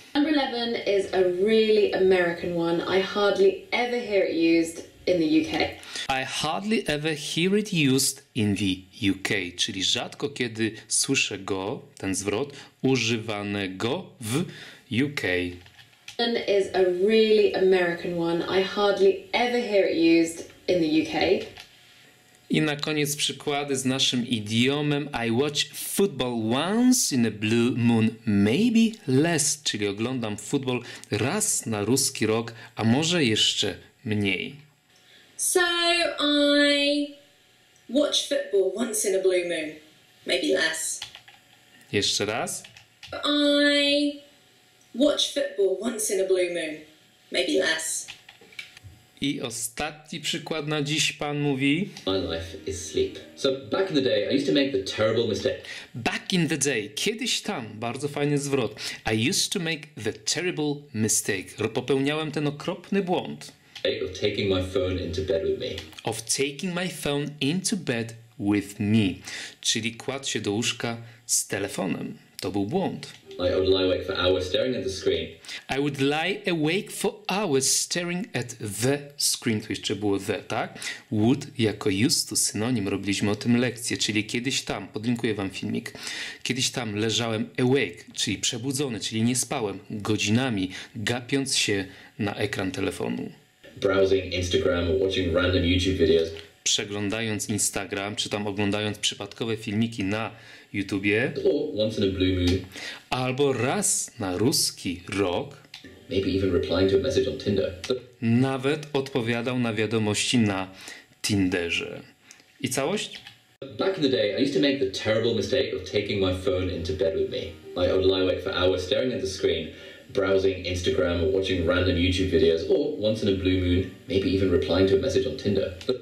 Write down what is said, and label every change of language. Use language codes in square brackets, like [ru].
[en] Number 11 is a really American one. I hardly ever hear it used in the UK. I hardly ever hear it used in the UK, [pl] czyli rzadko kiedy słyszę go, ten zwrot, używanego w UK. [en] Is a really American one. I hardly ever hear it used in the UK. [pl] I na koniec przykłady z naszym idiomem. [en] I watch football once in a blue moon, maybe less, [pl] czyli oglądam futbol raz na ruski rok, a może jeszcze mniej. [en] So I watch football once in a blue moon, maybe less. [pl] Jeszcze raz. [en] I watch football once in a blue moon, maybe less. [pl] I ostatni przykład na dziś, pan mówi. [en] My life is sleep. So back in the day, I used to make the terrible mistake. Back in the day, [pl] kiedyś tam, bardzo fajny zwrot. [en] I used to make the terrible mistake. [pl] Popełniałem ten okropny błąd. [en] Of taking my phone into bed with me. Of taking my phone into bed with me. [pl] Czyli kładł się do łóżka z telefonem. To był błąd. [en] I would lie awake for hours staring at the screen. I would lie awake for hours staring at the screen. [pl] To jeszcze było the, tak? Would jako [en] used to, [pl] synonim, robiliśmy o tym lekcję, czyli kiedyś tam, podlinkuję wam filmik, kiedyś tam leżałem awake, czyli przebudzony, czyli nie spałem, godzinami gapiąc się na ekran telefonu. [en] Browsing Instagram or watching random YouTube videos. [pl] Przeglądając Instagram, czy tam oglądając przypadkowe filmiki na YouTubie, [en] once in a blue moon. [pl] Albo raz na ruski rok, [en] maybe even replying to a message on Tinder. [pl] Nawet odpowiadał na wiadomości na Tinderze. I całość? [en] Back in the day, I used to make the terrible mistake of taking my phone into bed with me. I would lie awake for hours staring at the screen, browsing Instagram or watching random YouTube videos, or once in a blue moon, maybe even replying to a message on Tinder.